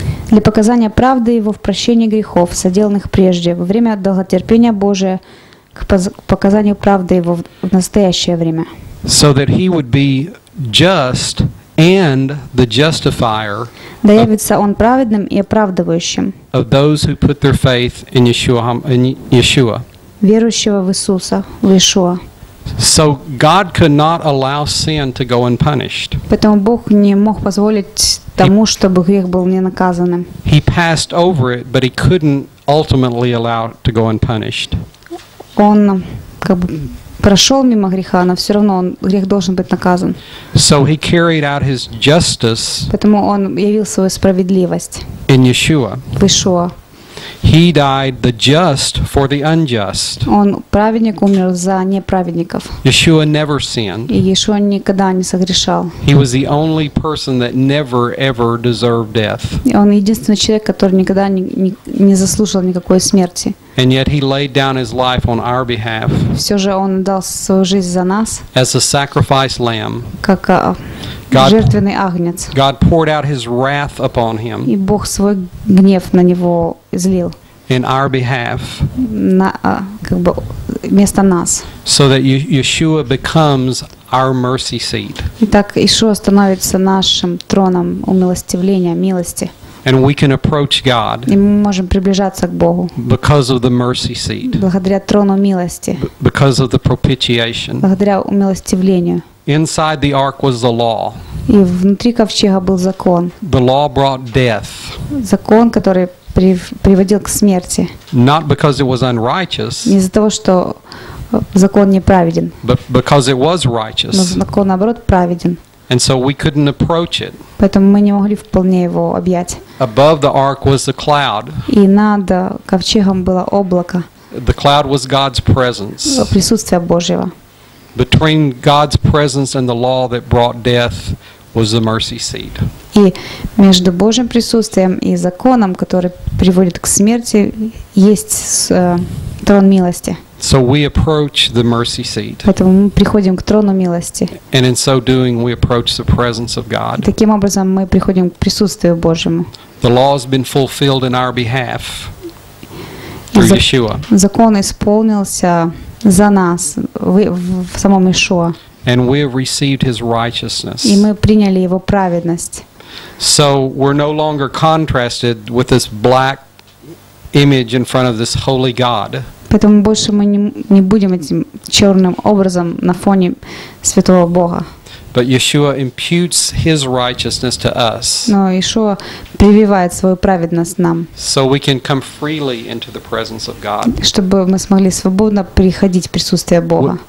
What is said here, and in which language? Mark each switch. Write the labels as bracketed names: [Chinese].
[Russian] Для показания правды его в прощении грехов, соделанных прежде, во время долготерпения Божия, к показанию правды его в настоящее время. [English] So that he would be just and the justifier. [Russian] Доявится он праведным и оправдывающим. [English] Of those who put their faith in Yeshua, [Russian] Верующего в Иисуса, в Иешуа. [English] So God could not allow sin to go unpunished. [Russian] Поэтому Бог не мог позволить тому, чтобы грех был не наказанным. [English] He passed over it, but he couldn't ultimately allow it to go unpunished. [Russian] Он как бы прошел мимо греха, но все равно он, грех должен быть наказан. [English] So he carried out his justice. [Russian] Поэтому он явил свою справедливость. [English] In Yeshua. [Russian] В Иешуа. [English] He died the just for the unjust. [Russian] Он праведник умер за неправедников. [English] Yeshua never sinned. [Russian] И Иешуа никогда не согрешал. [English] He was the only person that never ever deserved death. [Russian] И он единственный человек, который никогда не заслужил никакой смерти. [English] And yet he laid down his life on our behalf. [Russian] Все же он дал свою жизнь за нас. [English] As a sacrifice lamb. [Russian] Как жертвенный агнец. [English] God poured out his wrath upon him. [Russian] И Бог свой гнев на него излил. [English] In our behalf. [Russian] На как бы вместо нас. [English] So that Yeshua becomes our mercy seat. [Russian] Итак, Иешуа становится нашим троном умилостивления, милости. [English] And we can approach God. [Russian] И мы можем приближаться к Богу. [English] Because of the mercy seat. [Russian] Благодаря трону милости. [English] Because of the propitiation. [Russian] Благодаря умилостивлению. [English] Inside the ark was the law. [Russian] И внутри ковчега был закон. [English] The law brought death. [Russian] Закон, который приводил к смерти. [English] Not because it was unrighteous. [Russian] Не из-за того, что закон неправеден. [English] But because it was righteous. [Russian] Но закон, наоборот, праведен. [English] And so we couldn't approach it. [Russian] Поэтому мы не могли вполне его объять. [English] Above the ark was the cloud. [Russian] И над ковчегом было облако. [English] The cloud was God's presence. [Russian] Присутствие Божьего. [English] Between God's presence and the law that brought death was the mercy seat. [Russian] И между Божьим присутствием и законом, который приводит к смерти, есть трон милости. [English] So we approach the mercy seat. [Russian] Поэтому мы приходим к трону милости. [English] And in so doing, we approach the presence of God. [Russian] Таким образом мы приходим к присутствию Божьему. [English] The law has been fulfilled in our behalf through Yeshua. [Russian] Закон исполнился за нас в самом Иешуа. [English] And we have received His righteousness. [Russian] И мы приняли Его праведность. [English] So we're no longer contrasted with this black image in front of this holy God. [Russian] Поэтому больше мы не будем этим черным образом на фоне святого Бога. [English] But Yeshua imputes his righteousness to us. [Russian] Но Иешуа прививает свою праведность нам. [English] So we can come freely into the presence of God. [Russian] Чтобы мы смогли свободно приходить в присутствие Бога.